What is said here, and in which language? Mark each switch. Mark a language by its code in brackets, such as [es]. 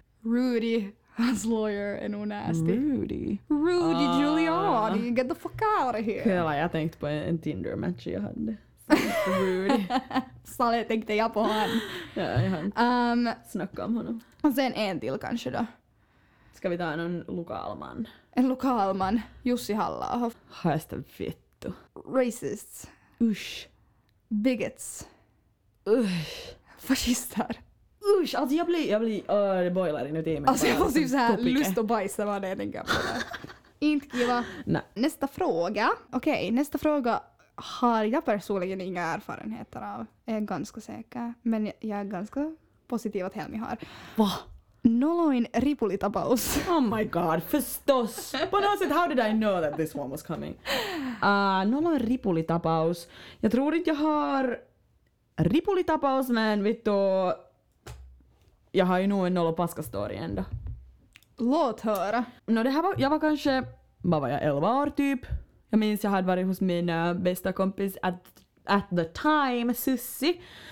[sv] Rudy, hans lawyer, är nog nasty. [en] Rudy Giuliani, get the fuck out of here. [sv] Kolla, jag tänkte på en Tinder-match jag hade. Rudy. Sade, tänkte jag på han. Ja, jag har inte snackat om honom. Och sen en till kanske då. Ska vi ta någon lokal man? En lokal man, Jussi Halla-aho. [fi] Haista vittu. [en] Racists. [sv] Usch. [en] Bigots. [sv] Usch. Fascister. Usch, alltså jag blir det boilar inuti mig. Alltså jag får typ såhär lust att bajsa vad det är den gamla. Inte kiva. Nej. Nästa fråga. Okej, nästa fråga har jag personligen inga erfarenheter av. Jag är ganska säker. Men jag är ganska positiv att Helmi har. Va? [fi] Noloin ripulitapaus. [en] Oh my god, [sv] förstås. [en] But also, how did I know that this one was coming? [fi] Noloin ripulitapaus. [sv] Jag tror inte jag har ripulitapaus, men vittu... Jag har ju nog en noll och paska story ändå. Låt höra. No, det här var, jag var kanske, vad var jag, 11 år typ. Jag minns jag hade varit hos min bästa kompis [en] at the time, [sv] Sussi.